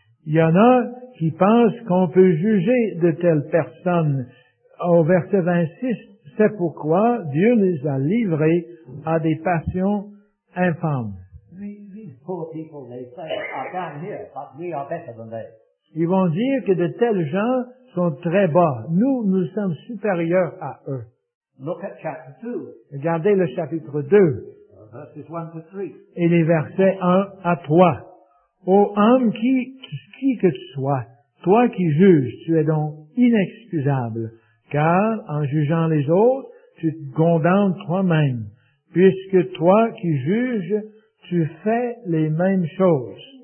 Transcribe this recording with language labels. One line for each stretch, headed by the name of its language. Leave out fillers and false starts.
French: Il y en a qui pensent qu'on peut juger de telles personnes. Au verset 26, c'est pourquoi Dieu les a livrés à des passions infâmes.
English: These poor people, they say, are down here, but we are better than they.
French: Ils vont dire que de tels gens sont très bas. Nous, nous sommes supérieurs à eux.
English: Look at chapter 2.
French: Regardez le chapitre 2.
English: Verses 1 to 3.
French: Et les versets 1 à 3. Ô homme, qui que tu sois, toi qui juges, tu es donc inexcusable, car en jugeant les autres, tu te condamnes toi-même, puisque toi qui juges, tu fais les mêmes choses.